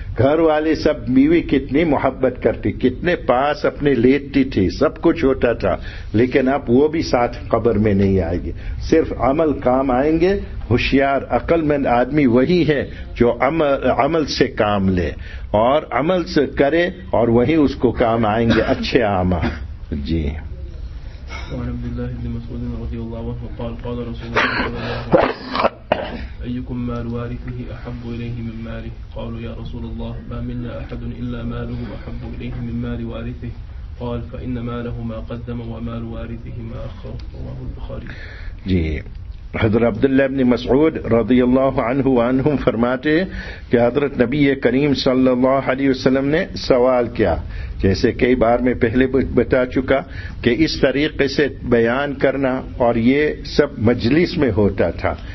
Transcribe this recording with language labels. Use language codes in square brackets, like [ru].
[ur] گھر والے سب بیوی کتنی محبت کرتی, کتنے پاس اپنے لیتی تھی, سب کچھ ہوتا تھا, لیکن اب وہ بھی ساتھ قبر میں نہیں آئے گی, صرف عمل کام آئیں گے. ہوشیار عقل مند آدمی وہی ہے جو عمل سے کام لے اور عمل سے کرے, اور وہی اس کو کام آئیں گے اچھے عامہ. جی [ar] وعن عبد الله بن مسعود رضي الله عنه قال قال رسول الله أيكم مال وارثه أحب إليه من ماله؟ قالوا يا رسول الله ما منا أحد إلا ماله أحب إليه من مال وارثه. قال فإن ماله ما قدم ومال وارثه ما أخر. رواه البخاري. [ur] جي حضرت عبداللہ بن مسعود رضی اللہ عنہ عنہم فرماتے کہ حضرت نبی کریم صلی اللہ علیہ وسلم نے سوال کیا, جیسے کئی بار میں پہلے بتا چکا کہ اس طریقے سے بیان کرنا, اور یہ سب مجلس میں ہوتا تھا.